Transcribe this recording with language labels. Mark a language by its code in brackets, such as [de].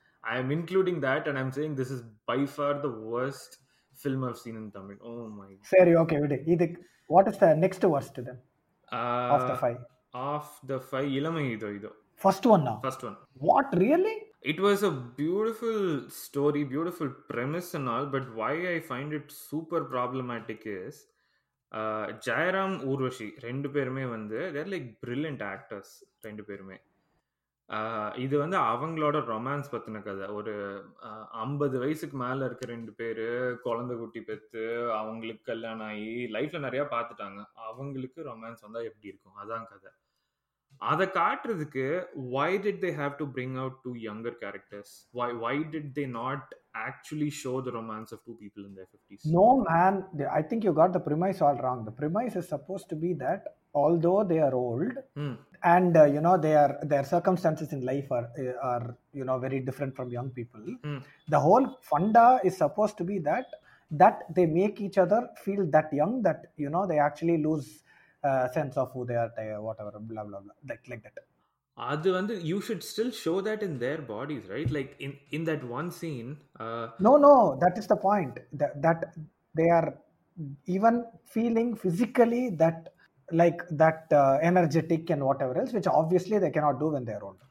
[en] I'm including that and I'm saying this is by far the worst film I've seen in Tamil. Oh my God. Sorry, okay. What is the next worst then? Of the five. Of the five. Ilamayidho. First one now? First one. What? Really? It was a beautiful story, beautiful premise and all. But why I find it super problematic is... [ta] Jayaram Urvashi ரெண்டு பேருமே வந்து [en] they're like brilliant actors [ta] ரெண்டு பேருமே. இது வந்து அவங்களோட romance பற்றின கதை. ஒரு 50 வயசுக்கு மேலே இருக்க ரெண்டு பேர், குழந்தை குட்டி பெற்று அவங்களுக்கு கல்யாணம் ஆகி லைஃப்பில் நிறையா பார்த்துட்டாங்க, அவங்களுக்கு ரொமான்ஸ் வந்தால் எப்படி இருக்கும், அதான் கதை. அதை காட்டுறதுக்கு [en] Why did they have to bring out two younger characters? Why did they not actually show the romance of two people in their 50s? No man, I think you got the premise all wrong. The premise is supposed to be that although they are old and you know they are, their circumstances in life are you know very different from young people, the whole funda is supposed to be that they make each other feel that young, that you know they actually lose sense of who they are, whatever, blah blah blah, like that. [ta] அது வந்து [en] You should still show that in their bodies right, like in in that one scene. No no, that is the point, that they are even feeling physically that like that energetic and whatever else which obviously they cannot do when they're old.